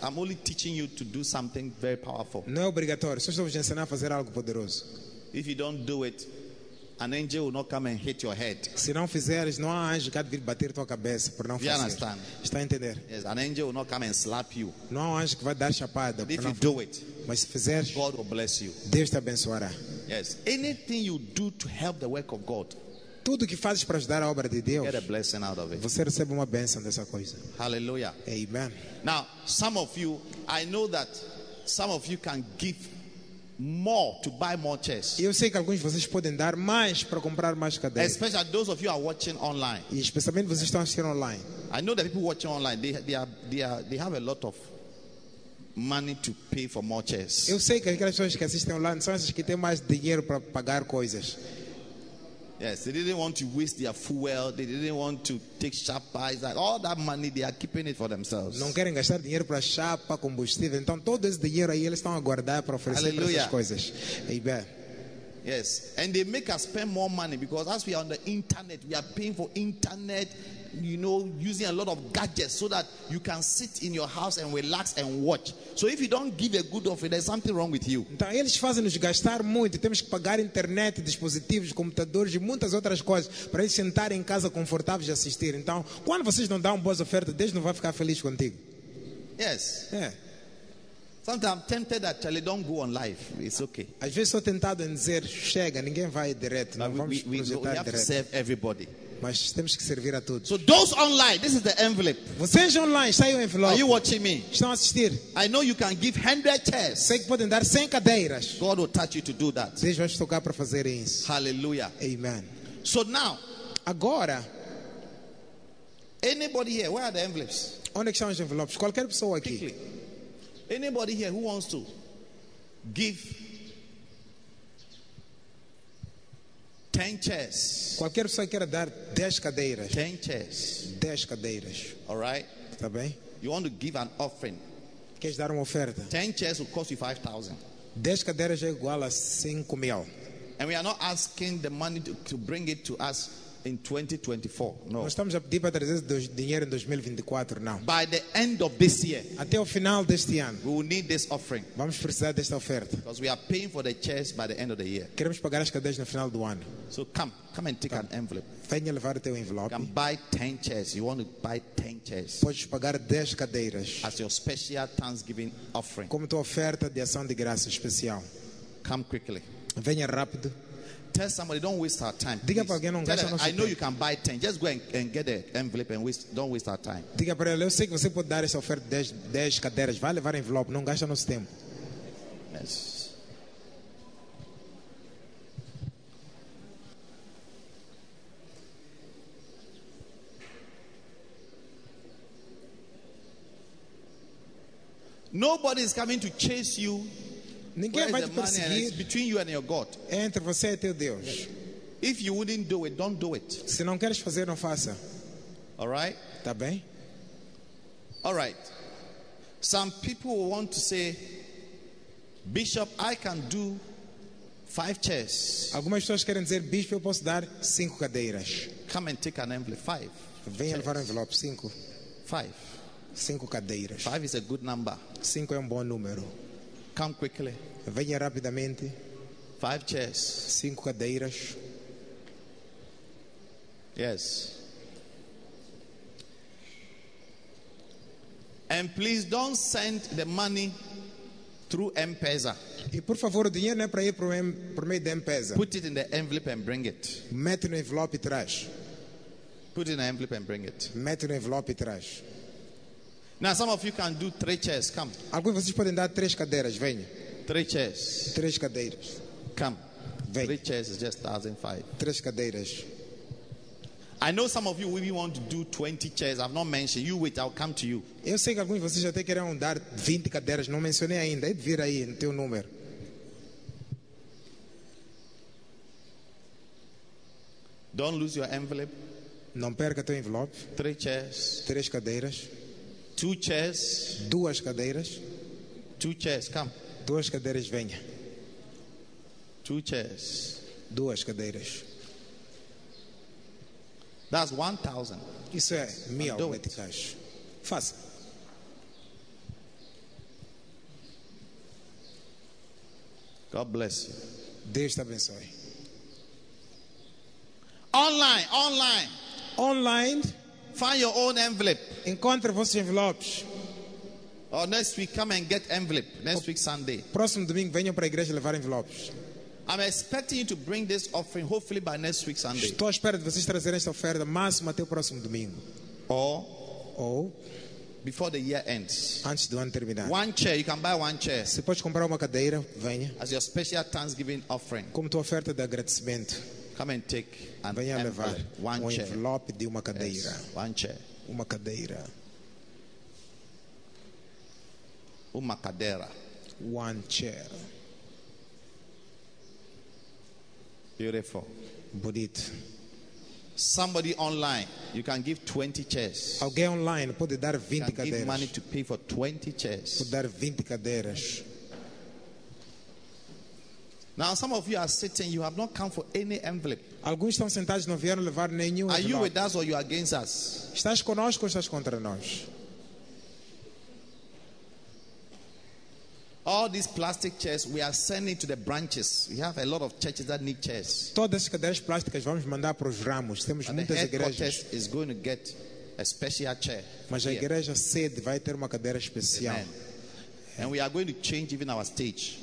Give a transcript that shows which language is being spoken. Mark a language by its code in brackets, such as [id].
[en] I'm only teaching you to do something very powerful. [pt] Não é obrigatório. Só estou te ensinando a fazer algo poderoso. [en] If you don't do it, an angel will not come and hit your head. [pt] Se não fizeres, não há anjo que há de vir bater tua cabeça por não fazer. Está a entender? [en] Yes, an angel will not come and slap you. [pt] Não há anjo que vai dar chapada. [en] If you do it, [pt] mas se fizeres, [en] God will bless you. [pt] Deus te abençoará. [en] Yes, anything you do to help the work of God, [pt] tudo que fazes para ajudar a obra de Deus, [en] get a blessing out of it. [pt] Você recebe uma bênção dessa coisa. [en] Hallelujah. Amen. Now, some of you, I know that some of you can give more to buy more chairs. [pt] Eu sei que alguns de vocês podem dar mais para comprar mais cadeiras. [en] Especially those of you are watching online. [pt] E especialmente vocês estão assistindo online. [en] I know that people watching online, they have a lot of money to pay for more chairs. [pt] Eu sei que aquelas pessoas que assistem online são essas que têm mais dinheiro para pagar coisas. [en] Yes, they didn't want to waste their fuel. They didn't want to take chapa. It's like all that money they are keeping it for themselves. [pt] Não querem gastar dinheiro para chapa, combustível. Então todo esse dinheiro aí eles estão a guardar para oferecer para essas coisas. [en] Amen. Yes, and they make us spend more money because as we are on the internet, we are paying for internet. You know, using a lot of gadgets so that you can sit in your house and relax and watch. So if you don't give a good offer, there's something wrong with you. [pt] Então eles fazem-nos gastar muito. Temos que pagar internet, dispositivos, computadores e muitas outras coisas para eles sentarem em casa confortáveis e assistir. Então, quando vocês não dão boas ofertas, Deus não vai ficar feliz contigo. [en] Yes. Yeah. Sometimes I'm tempted that I don't go on live. It's okay. [pt] Às vezes sou tentado em dizer chega, ninguém vai direto. Não vamos projetar direto. [en] We have to serve everybody. [pt] Mas temos que servir a todos. [en] So those online, this is the envelope. [pt] Vocês online, saiu o envelope. [en] Are you watching me? [pt] Estão a assistir? [en] I know you can give 100 chairs. [pt] Sei que podem dar 100 cadeiras. [en] God will touch you to do that. [pt] Deus vai te tocar para fazer isso. [en] Hallelujah. Amen. So now, [pt] agora, [en] anybody here, where are the envelopes? [pt] Onde estão os envelopes? Qualquer pessoa aqui. [en] Quickly. Anybody here who wants to give 10 chairs. [pt] Qualquer pessoa queira dar 10 cadeiras. [en] 10 chairs. [pt] 10 cadeiras. [en] All right. [pt] Tá bem? [en] You want to give an offering. [pt] Queres dar uma oferta? [en] 10 chairs will cost you 5,000. [pt] 10 cadeiras é igual a 5 mil. [en] And we are not asking the money to bring it to us in 2024. No. [pt] Nós estamos a pedir para trazer dinheiro em 2024, não. [en] By the end of this year. [pt] Até o final deste ano. [en] We will need this offering. [pt] Vamos precisar desta oferta. [en] Because we are paying for the chairs by the end of the year. [pt] Queremos pagar as cadeiras no final do ano. [en] So come and take an envelope. [pt] Venha levar o teu envelope. [en] You can buy 10 chairs. You want to buy 10 chairs. [pt] Podes pagar 10 cadeiras. [en] As your special Thanksgiving offering. [pt] Como tua oferta de ação de graça especial. [en] Come quickly. [pt] Venha rápido. [en] Tell somebody, don't waste our time. [pt] Diga para alguém, não gaste nosso tempo. [en] I know you can buy 10. Just go and get the envelope and don't waste our time. [pt] Diga para ele, eu sei que você pode dar essa oferta de 10 cadeiras. Vai levar envelope, não gaste nosso tempo. [en] Yes. Nobody is coming to chase you. [pt] Ninguém vai te perseguir. [en] It's between you and your God. [pt] É entre você e teu Deus. [en] If you wouldn't do it, don't do it. [pt] Se não queres fazer, não faça. [en] All right? [pt] Tá bem? [en] All right. Some people want to say, Bishop, I can do 5 chairs. [pt] Algumas pessoas querem dizer, Bishop, eu posso dar 5 cadeiras. [en] Come and take an envelope. 5. [pt] Vem chairs. Levar um envelope. 5. 5. 5 cadeiras. [en] 5 is a good number. [pt] 5 é bom número. [en] Come quickly. [pt] Venha rapidamente. [en] 5 chairs. [pt] 5 cadeiras. [en] Yes. And please don't send the money through M-Pesa. [pt] E por favor, o dinheiro não é para ir por meio de M-Pesa. [en] Put it in the envelope and bring it. [pt] Mete no envelope e traz. [en] Put it in the envelope and bring it. [pt] Mete no envelope e traz. [en] Now some of you can do 3 chairs. Come. [pt] Alguns de vocês podem dar 3 cadeiras. Venha. [en] 3 chairs. [pt] 3 cadeiras. [en] Come. [pt] Venha. [en] 3 chairs is just 1,005. [pt] 3 cadeiras. [en] I know some of you maybe want to do 20 chairs. I've not mentioned. You wait, I'll come to you. [pt] Eu sei que alguns de vocês já até queriam dar 20 cadeiras. Não mencionei ainda. É de vir aí no teu número. [en] Don't lose your envelope. [pt] Não perca teu envelope. [en] 3 chairs. [pt] 3 cadeiras. [en] 2 chairs. [pt] 2 cadeiras. [en] 2 chairs, come. [pt] 2 cadeiras, venha. [en] 2 chairs. [pt] 2 cadeiras. [en] That's 1,000. [pt] Isso é 1,000. [en] Do it. [pt] Faça. [en] God bless you. [pt] Deus te abençoe. [en] Online, online. Online. Find your own envelope. [pt] Encontre vossos envelopes. [en] Or next week, come and get envelope. Next week, Sunday. [pt] Próximo domingo, venham para a igreja levar envelopes. [en] I'm expecting you to bring this offering hopefully by next week Sunday. [pt] Estou à espera de vocês trazerem esta oferta máximo até o próximo domingo. [en] Ou before the year ends. [pt] Antes do ano terminar. [en] One chair, you can buy one chair. [pt] Você pode comprar uma cadeira, venha. [en] As your special Thanksgiving offering. [pt] Como tua oferta de agradecimento. [en] Come and take an [pt] venha [en] envelope, [pt] levar [en] one [pt] um [en] chair. [pt] Envelope de uma cadeira. [en] Yes, one chair. [pt] Uma cadeira. Uma cadeira. [en] One chair. Beautiful. [pt] Bonito. [en] Somebody online, you can give 20 chairs. [pt] Alguém online pode dar 20 [en] you can [pt] cadeiras. [en] Give money to pay for 20 chairs. [pt] Pode dar 20 cadeiras. [en] Now some of you are sitting, you have not come for any envelope. [pt] Alguns estão sentados, não vieram levar nenhum envelope. [en] Are you with us or you against us? [pt] Estás conosco ou estás contra nós? [en] All these plastic chairs we are sending to the branches. We have a lot of churches that need chairs. [pt] Todas as cadeiras plásticas vamos mandar para os ramos. Temos [en] and [pt] muitas [en] the [pt] igrejas. [en] Is going to get a special chair. [pt] Mas [en] here. [pt] A igreja sede vai ter uma cadeira especial. [en] And we are going to change even our stage.